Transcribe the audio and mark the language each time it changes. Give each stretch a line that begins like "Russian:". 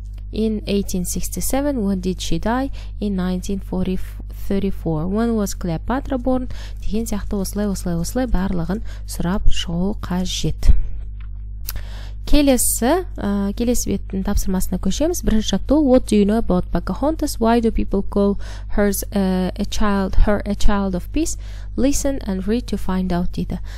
English: In 1867, when did she die? In 1934. When was Cleopatra born?
Kazakh: Деген сияқты осылай барлығын сұрап шоу қажет. Келесі беттің тапсырмасына көшеміз. Бірінші жатту,
English: what do you know about Pocahontas? Why do people call her a child of peace? Listen and read to find out,
Kazakh: дейді.